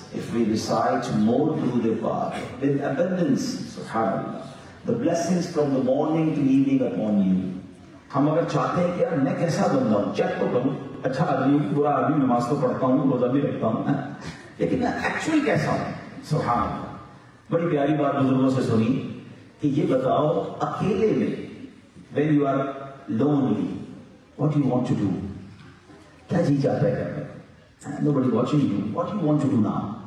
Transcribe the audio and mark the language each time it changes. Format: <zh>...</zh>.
<en>If we recite more درود پاک with abundance, subhanAllah, the blessings from the morning to evening upon you.</en> <ur>ہم اگر چاہتے ہیں کہ یار میں کیسا بندہ ہوں، چیک تو کروں، اچھا آدمی ہوں، برا آدمی، نماز تو پڑھتا ہوں، روزہ بھی رکھتا ہوں، لیکن میں ایکچولی کیسا ہوں؟ سبحان اللہ۔ بڑی پیاری بات بزرگوں سے سنی کہ یہ بتاؤ اکیلے میں،</ur> <en>when you are lonely, what do you want to do?</en> <ur>Kya ji chahta hai karne ka?</ur> <en>Nobody watching you, what do you want to do now?</en>